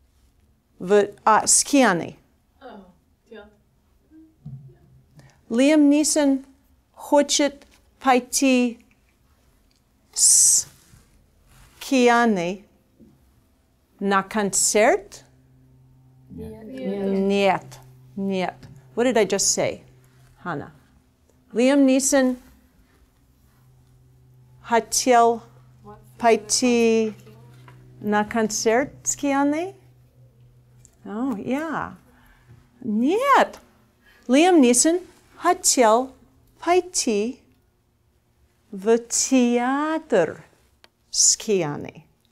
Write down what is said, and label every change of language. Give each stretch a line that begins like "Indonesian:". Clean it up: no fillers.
Russian: С Кианой. Liam Neeson хочет пойти с Кианой на концерт? Нет.
English: What did I just say, Hannah?
Russian: Liam Neeson хотел пойти на концерт с Кианой? Нет. Liam Neeson хотел пойти в театр с Кианой.